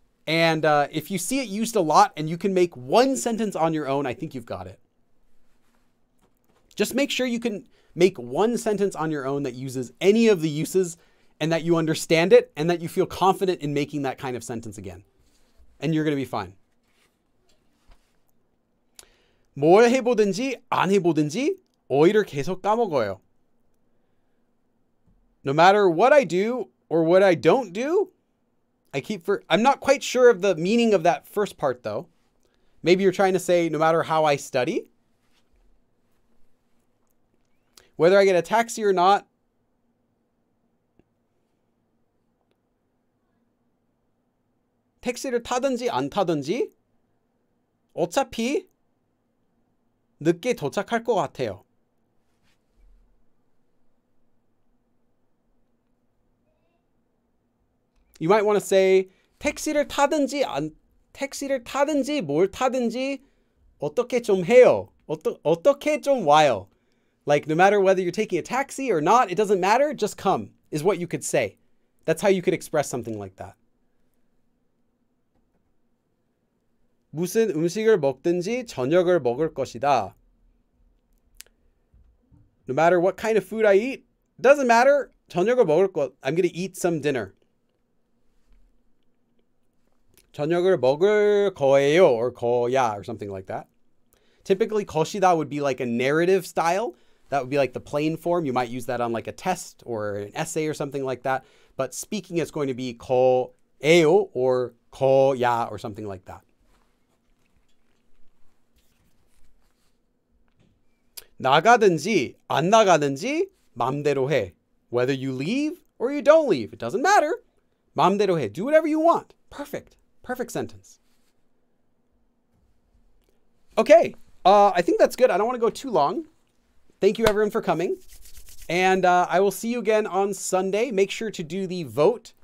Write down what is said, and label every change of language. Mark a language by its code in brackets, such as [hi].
[en] And if you see it used a lot and you can make one sentence on your own, I think you've got it. Just make sure you can make one sentence on your own that uses any of the uses and that you understand it and that you feel confident in making that kind of sentence again. And you're going to be fine. [ko] 뭘 해보든지 안 해보든지 오히려 계속 까먹어요. [en] No matter what I do or what I don't do, I'm not quite sure of the meaning of that first part though. Maybe you're trying to say no matter how I study, whether I get a taxi or not, [ko] taxi를 타든지 안 타든지 어차피 늦게 도착할 것 같아요. [en] You might want to say [ko] 택시를 타든지 안 택시를 타든지 뭘 타든지 어떻게 좀 해요. 어떻게 좀 와요. [en] Like no matter whether you're taking a taxi or not, it doesn't matter, just come is what you could say. That's how you could express something like that. [ko] 무슨 음식을 먹든지 저녁을 먹을 것이다. [en] No matter what kind of food I eat, doesn't matter. [ko] 저녁을 먹을 것. [en] I'm going to eat some dinner. [ko] 저녁을 먹을 거예요 [en] or 거야 or something like that. Typically, 것이다 would be like a narrative style. That would be like the plain form. You might use that on like a test or an essay or something like that. But speaking is going to be 거예요 or 거야 or something like that. [ko] 나가든지 안 나가든지 맘대로 해. [en] Whether you leave or you don't leave, it doesn't matter. [ko] 맘대로 해. [en] Do whatever you want. Perfect. Perfect sentence. Okay. I think that's good. I don't want to go too long. Thank you everyone for coming. And I will see you again on Sunday. Make sure to do the vote.